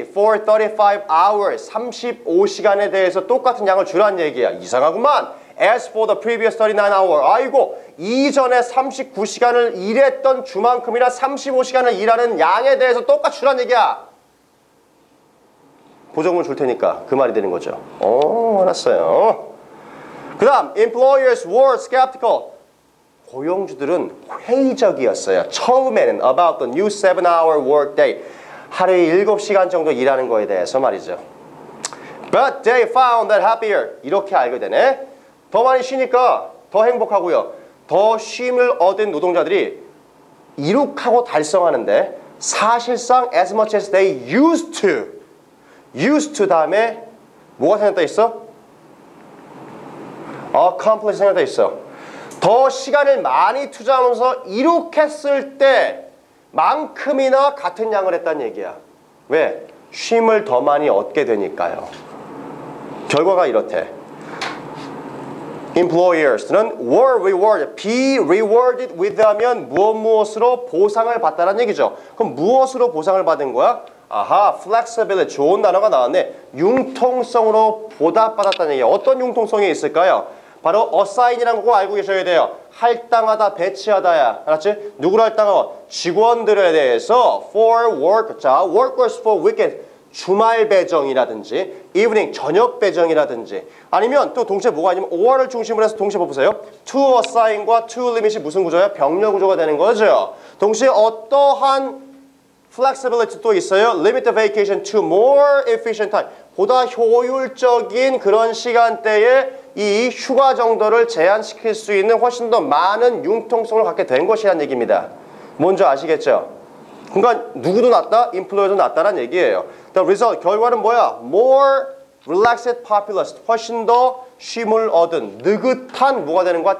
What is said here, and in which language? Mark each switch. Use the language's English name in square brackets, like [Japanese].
[English] For 35 hours, [Korean] 35시간에 대해서 똑같은 양을 주라는 얘기야. 이상하구만. [English] As for the previous 39 hours, [Korean] 아이고, 이전에 39시간을 일했던 주만큼이나 35시간을 일하는 양에 대해서 똑같이 주라는 얘기야. 보조금을 줄 테니까 그 말이 되는 거죠. 오, 알았어요. 그 다음, [English] employers were skeptical. [Korean] 고용주들은 회의적이었어요. 처음에는 [English] about the new 7-hour workday. [Korean] 하루에 7시간 정도 일하는 거에 대해서 말이죠. [English] But they found that happier. [Korean] 이렇게 알게 되네. 더 많이 쉬니까 더 행복하고요. 더 쉼을 얻은 노동자들이 이룩하고 달성하는데 사실상 [English] as much as they used to. [Korean] Used to 다음에 뭐가 생각돼 있어? Accomplish 생각돼 있어. 더 시간을 많이 투자하면서 이룩했을 때 만큼이나 같은 양을 했다는 얘기야. 왜? 쉼을 더 많이 얻게 되니까요. 결과가 이렇대. [English] Employers는 were rewarded. [Korean] Be rewarded with 하면 무엇 무엇으로 보상을 받다라는 얘기죠. 그럼 무엇으로 보상을 받은 거야? 아하, flexibility. 좋은 단어가 나왔네. 융통성으로 보답받았다는 얘기. 어떤 융통성이 있을까요? 바로 assign이라는 거 알고 계셔야 돼요. 할당하다, 배치하다야. 알았지? 누구를 할당하고? 직원들에 대해서 for work, 자, workers for weekend, 주말 배정이라든지 evening, 저녁 배정이라든지 아니면 또 동시에 뭐가 아니면 or를 중심으로 해서 동시에 보세요. to assign과 to limit이 무슨 구조야? 병렬 구조가 되는 거죠. 동시에 어떠한 flexibility도 있어요. [English] limit the vacation to more efficient time. [Korean] 보다 효율적인 그런 시간대에 이 휴가 정도를 제한시킬 수 있는 훨씬 더 많은 융통성을 갖게 된 것이란 얘기입니다. 뭔지 아시겠죠? 그러니까 누구도 낫다? 인플루어도 낫다란 얘기예요. [English] The result, [Korean] 결과는 뭐야? [English] More relaxed populace, [Korean] 훨씬 더 쉼을 얻은 느긋한 뭐가 되는 거야?